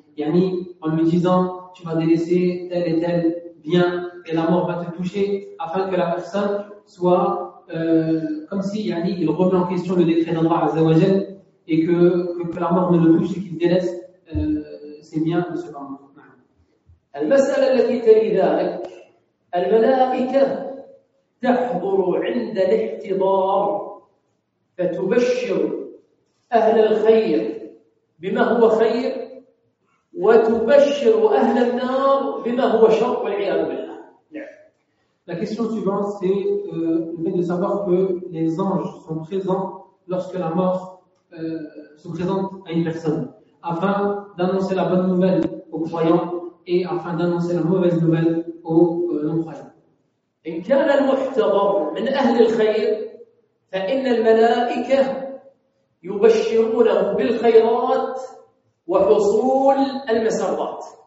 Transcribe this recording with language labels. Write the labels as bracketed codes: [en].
[fr] Yani, en lui disant tu vas délaisser tel et tel bien et la mort va te toucher, afin que la personne soit comme si yani, il remet en question le décret d'Allah Azza wa Jalla et que la mort ne le touche et qu'il délaisse ses biens de ce monde. [ar] المسألة التي تلي ذلك، الملائكة تحضر عند الاحتضار فتبشر أهل الخير بما هو خير وتبشر أهل النار بما هو شر والعياذ بالله. [fr] La question suivante c'est le fait de savoir que les anges sont présents lorsque la mort se présente à une personne afin d'annoncer la bonne nouvelle aux croyants et afin d'annoncer la mauvaise nouvelle aux non-croyants. [ar] إن كان المحتضر من أهل الخير فإن الملائكة يبشرونه بالخيرات وحصول المسرات.